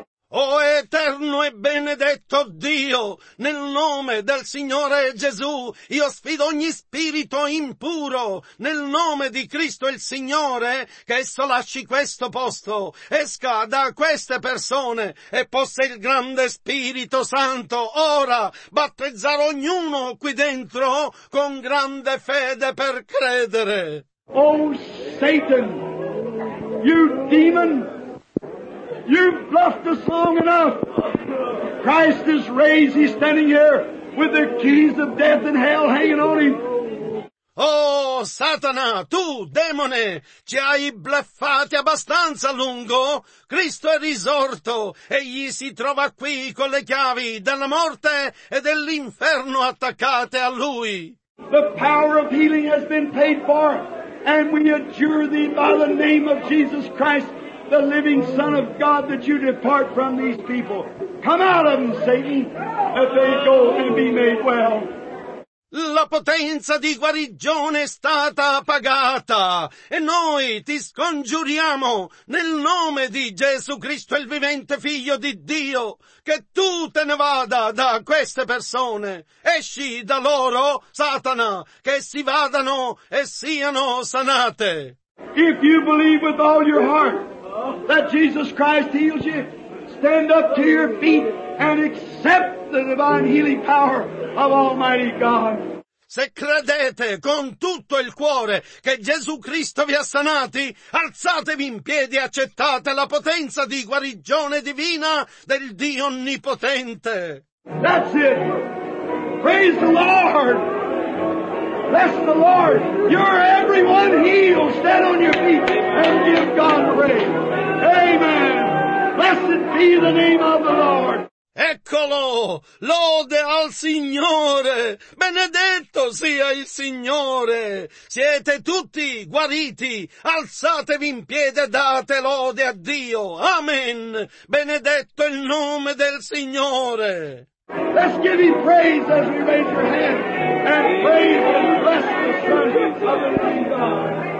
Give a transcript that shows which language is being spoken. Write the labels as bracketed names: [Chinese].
[Italian] O eterno e benedetto Dio, nel nome del Signore Gesù, io sfido ogni spirito impuro, nel nome di Cristo il Signore, che esso lasci questo posto, esca da queste persone, e possa il grande Spirito Santo ora battezzare ognuno qui dentro con grande fede per credere. [English] O Satan, you demon! You've bluffed us long enough. Christ is raised. He's standing here with the keys of death and hell hanging on him. [Italian] Oh, Satana, tu, demone, ci hai bluffati abbastanza lungo. Cristo è risorto. Egli si trova qui con le chiavi della morte e dell'inferno attaccate a lui. [English] The power of healing has been paid for, and we adjure thee by the name of Jesus Christ, the living Son of God, that you depart from these people. Come out of them, Satan, that they go and be made well. [Italian] La potenza di guarigione è stata pagata, e noi ti scongiuriamo nel nome di Gesù Cristo, il vivente Figlio di Dio, che tu te ne vada da queste persone. Esci da loro, Satana, che si vadano e siano sanate. [English] If you believe with all your heart that Jesus Christ heals you, stand up to your feet and accept the divine healing power of Almighty God. [Italian] Se credete con tutto il cuore che Gesù Cristo vi ha sanati, alzatevi in piedi e accettate la potenza di guarigione divina del Dio Onnipotente. [English] That's it. Praise the Lord. Bless the Lord. You're everyone healed. Stand on your feet and give God praise. Amen. Blessed be the name of the Lord. [Italian] Eccolo, lode al Signore, benedetto sia il Signore. Siete tutti guariti, alzatevi in piede e date lode a Dio. Amen. Benedetto il nome del Signore. [English] Let's give him praise as we raise your hand and praise and bless the Son of the King God.